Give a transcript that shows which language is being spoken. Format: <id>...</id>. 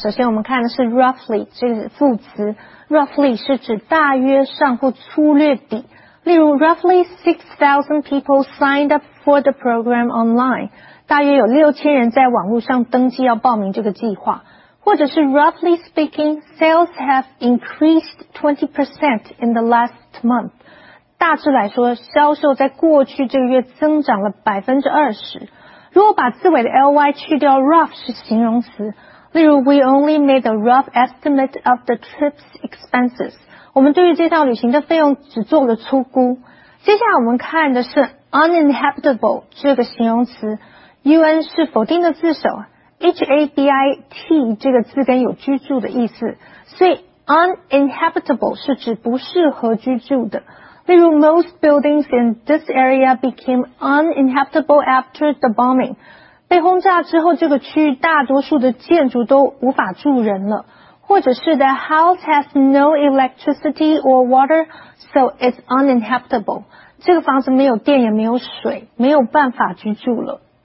<zh>首先我们看的是 roughly 这个副词 ,roughly 是指大约上或粗略地。例如</zh> <en>roughly 6,000 people signed up for the program online,</en> <zh>大约有6000人在网络上登记要报名这个计划。或者是</zh> <en>roughly speaking, sales have increased 20% in the last month.</en> <zh>大致来说销售在过去这个月增长了 20%。如果把字尾的 ly 去掉 rough 是形容词例如</zh> <en>we only made a rough estimate of the trip's expenses</en> <zh>我们对于这趟旅行的费用只做了粗估接下来我们看的是 uninhabitable 这个形容词 un 是否定的字首 habit 这个字根有居住的意思所以 uninhabitable 是指不适合居住的例如</zh> <en>most buildings in this area became uninhabitable after the bombing.</en> <zh>被轰炸之后这个区域大多数的建筑都无法住人了。或者是</zh> <en>the house has no electricity or water, so it's uninhabitable.</en> <zh>这个房子没有电也没有水没有办法居住了。</zh>